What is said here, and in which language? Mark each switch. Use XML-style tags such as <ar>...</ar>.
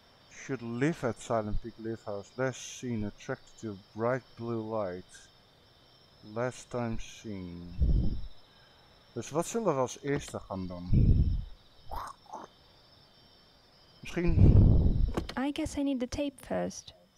<en>Should live at Silent Peak Lighthouse. Last seen attracted to bright blue light. Last time seen.</en> <nl>Dus wat zullen we als eerste gaan doen? Misschien.</nl> <en>I guess I need the tape first.</en>